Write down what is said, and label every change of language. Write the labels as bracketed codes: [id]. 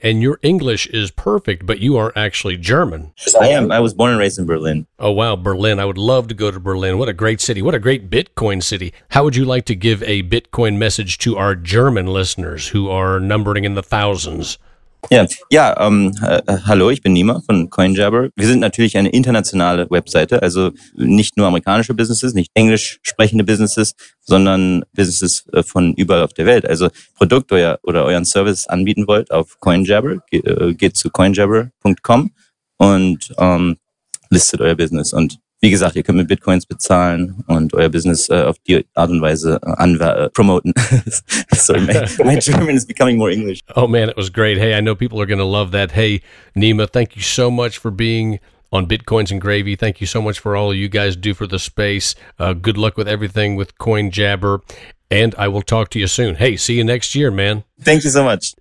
[en] And your English is perfect, but you are actually German. I am. I was born and raised in Berlin. Oh, wow. Berlin. I would love to go to Berlin. What a great city. What a great Bitcoin city. How would you like to give a Bitcoin message to our German listeners who are numbering in the thousands? [de] Yeah. Hallo, ich bin Nima von CoinJabber. Wir sind natürlich eine internationale Webseite, also nicht nur amerikanische Businesses, nicht englisch sprechende Businesses, sondern Businesses von überall auf der Welt. Also Produkt oder euren Service anbieten wollt auf CoinJabber, geht zu coinjabber.com und listet euer Business. Und wie gesagt, ihr könnt mit Bitcoins bezahlen und euer Business auf die Art und Weise promoten. [en] Sorry, my German is becoming more English. Oh man, it was great. Hey, I know people are going to love that. Hey, Nima, thank you so much for being on Bitcoins and Gravy. Thank you so much for all you guys do for the space. Good luck with everything with CoinJabber. And I will talk to you soon. Hey, see you next year, man. Thank you so much.